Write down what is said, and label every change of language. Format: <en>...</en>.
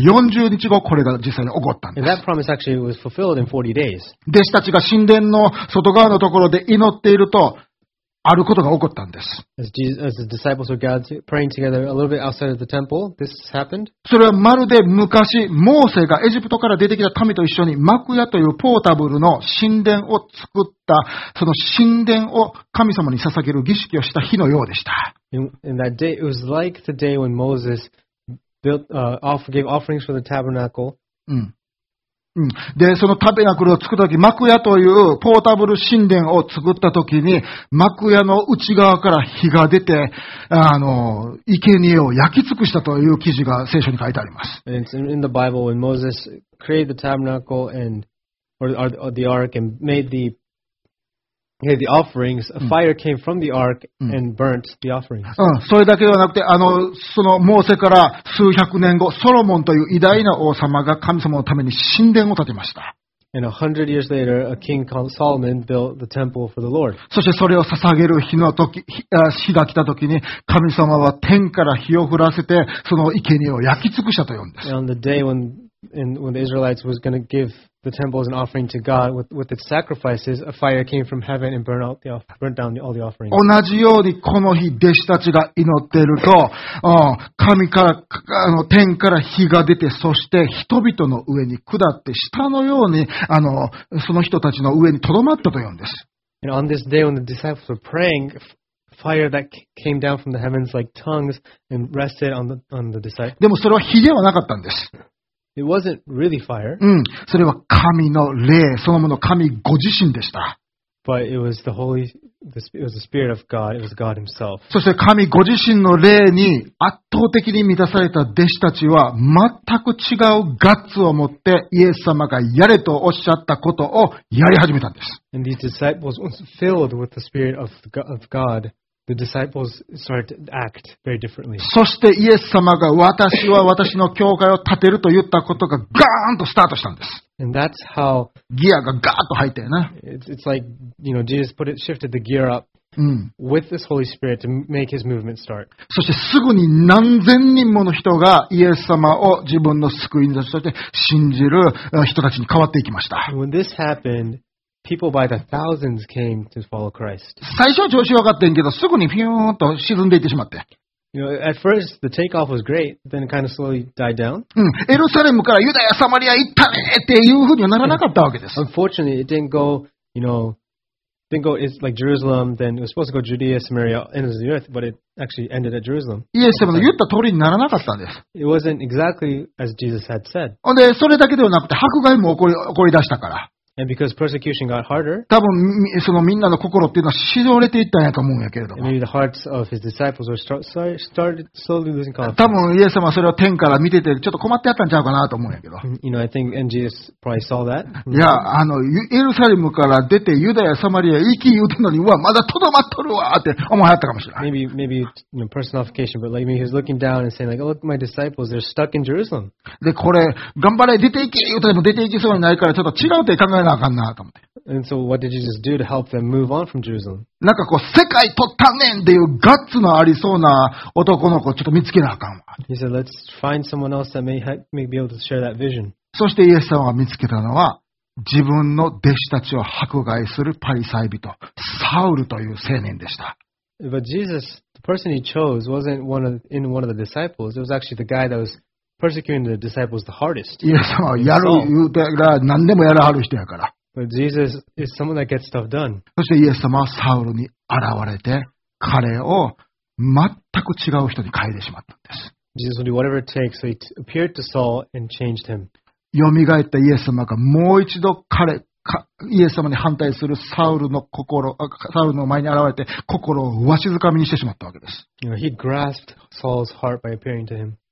<ja>40日後これが実際に起こったんです。</ja> <en>That promise actually was fulfilled in 40 days.</en> <ja>弟子たちが神殿の外側のところで祈っているとあることが起こったんです。</ja> <en>As the disciples were gathered praying together a little bit outside of the temple, this happened.</en> <ja>それはまるで昔モーセがエジプトから出てきた民と一緒に幕屋というポータブルの神殿を作ったその神殿を神様に捧げる儀式をした日のようでした。</ja> <en>In that day, it was like the day when Moses gave offerings for the tabernacle.</en> <ja>で、そのタベナクルを作るとき、幕屋というポータブル神殿を作ったときに、幕屋の内側から火が出て、生贄を焼き尽くしたという記事が聖書に書いてあります。</ja> <en>And it's in the Bible when Moses created the tabernacle and, or the ark and made the Hey, the offerings, a fire came from the ark and burnt the offerings.</en> <ja>それだけではなくて、そのモーセから数百年後、ソロモンという偉大な王様が神様のために神殿を建てました。</ja> <en>And 100 years later, a king called Solomon built the temple for the Lord.</en> <ja>そしてそれを捧げる日の時、日が来た時に、神様は天から火を降らせて、その生贄を焼き尽くしたと言うんです。</ja> <en>And on the day when the Israelites was going to give the temple as an offering to God with its sacrifices, a fire came from heaven and burnt down all the offerings.</en> <ja>同じようにこの日、弟子たちが祈っていると、神から、天から火が出て、そして人々の上に下って、下のように、その人たちの上に留まったというんです。</ja> <en>And on this day when the disciples were praying,Fire that came down from the heavens like tongues and rested on the disciples.</en> <ja>でもそれは火ではなかったんです。</ja> <en>It wasn't really fire.</en> <ja>うん、それは神の霊そのもの、神ご自身でした。</ja> <en>But it was the Holy, it was the Spirit of God. It was God Himself.</en> <ja>そして神ご自身の霊に圧倒的に満たされた弟子たちは全く違うガッツを持ってイエス様がやれとおっしゃったことをやり始めたんです。</ja> <en>And these disciples were filled with the Spirit of God. The disciples started to act very differently.</en> <ja>そしてイエス様が私は私の教会を建てると言ったことがガーンとスタートしたんです。</ja> <en>And that's how</en> <ja>ギアがガーッと入ったよな。</ja> <en>It's like, you know, Jesus put it, shifted the gear up with this Holy Spirit to make his movement start.</en> <ja>そしてすぐに何千人もの人がイエス様を自分の救い主として信じる人たちに変わっていきました。</ja> <en>When this happened,People by the thousands came to follow Christ.</en> <ja>最初は調子分かってんけど、すぐにピューンと沈んでいってしまって。</ja> <en>You know, at first, the takeoff was great, then it kind of slowly died down.</en> <ja>うん、エルサレムからユダヤ、サマリア行ったねっていうふうにはならなかったわけです。</ja> <en>Unfortunately, it didn't go, you know, didn't go, it's like Jerusalem, then it was supposed to go Judea, Samaria, ends of the earth, but it actually ended at Jerusalem.</en> <ja>イエス様の言った通りにならなかったんです。</ja> <en>It wasn't exactly as Jesus had said.</en> <ja>ほんで、それだけではなくて、迫害も起こり出したから。</ja> <en>And because persecution got harder,</en> <ja>多分そのみんなの心っていうのはしどれていったんやと思うんやけれども。</ja> <en>Maybe the hearts of his disciples were started slowly losing confidence.</en> <ja>多分イエス様はそれを天から見ててちょっと困ってやったんちゃうかなと思うんやけど。</ja> <en>You know, I think NGS probably saw that.</en> <ja>いや、エルサレムから出てユダヤ、サマリア行き言うたのに、うわ、まだとどまっとるわって思いはったかもしれない。</ja> <en>Maybe you know, personification, but like, maybe he was looking down and saying like, look, my disciples, they're stuck in Jerusalem.</en> <ja>で、これ、頑張れ、出て行け言うたでも出て行きそうにないからちょっと違うって考えなあかんなと思って。</ja> <en>And so what did Jesus do to help them move on from Jerusalem?</en> <ja>なんかこう世界取ったねんっていうガッツのありそうな男の子ちょっと見つけなあかんわ。</ja> <en>He said, let's find someone else that may be able to share that vision.</en> <ja>そしてイエス様が見つけたのは自分の弟子たちを迫害するパリサイ人サウルという青年でした。</ja> <en>But Jesus, the person he chose wasn't one of the disciples. It was actually the guy that was persecuting the disciples the hardest.</en> <ja>イエス様はやる言うてやら何でもやらはる人やから。</ja> <en>But Jesus is someone that gets stuff done.</en> <ja>そしてイエス様はサウルに現れて彼を全く違う人に変えてしまったんです。</ja> <en>Jesus will do whatever it takes, so he appeared to Saul and changed him.</en> <ja>よみがえったイエス様がもう一度彼、イエス様に反対するサウルの前に現れて心をわしづかみにしてしまったわけです。</ja> <en>You know, he grasped Saul's heart by appearing to him.</en>